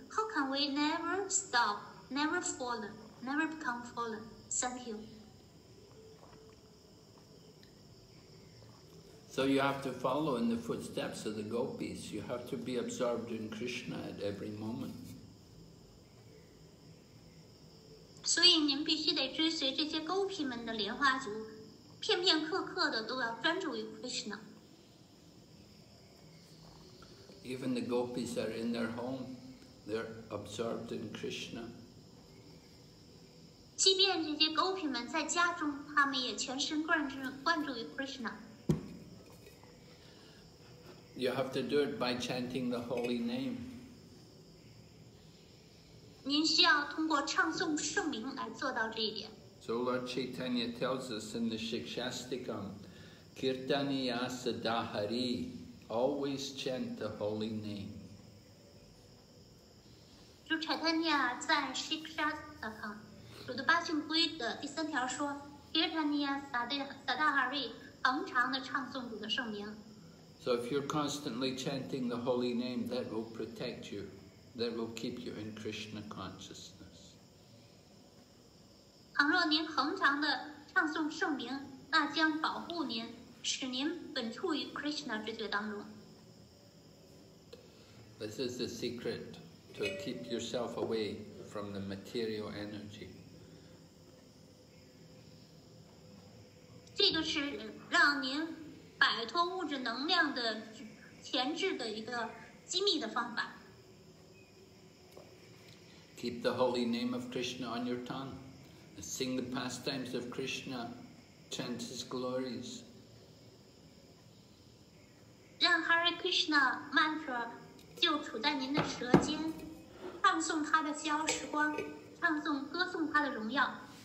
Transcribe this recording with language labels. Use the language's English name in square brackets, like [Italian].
[English] How can we never stop, never fallen, never become fallen? Thank you. So you have to follow in the footsteps of the gopis. You have to be absorbed in Krishna at every moment. [Chinese] 所以您必须得追随这些勾皮们的莲花族片片刻刻的都要专注于 Krishna。 [English] Even the gopis are in their home, they're absorbed in Krishna. [Chinese] 即便这些 gopis 们在家中，他们也全神贯注于 Krishna。 [English] You have to do it by chanting the holy name. [Chinese] 您需要通过唱诵圣名来做到这一点。 [English] So Lord Chaitanya tells us in the Shikshastikam, Kirtaniya Sadahari, always chant the holy name. [Chinese] Lord Chaitanya 在 Shikshastikam, 鲁德巴逊规的第三条说 Kirtaniya Sadahari, 恒常的唱诵主的圣名。 [English] So if you're constantly chanting the holy name, that will protect you, that will keep you in Krishna consciousness. [Chinese] 倘若您恒常的唱诵圣名，那将保护您，使您本处于 Krishna 之觉当中。 [English] This is the secret to keep yourself away from the material energy. [Chinese] 这个是让您摆脱物质能量的前置的一个机密的方法。 [English] Keep the holy name of Krishna on your tongue. Sing the pastimes of Krishna. Chant his glories. [Chinese] 让 Hare Krishna mantra 就处在您的舌尖，唱诵他的消时光，唱诵歌颂他的荣耀。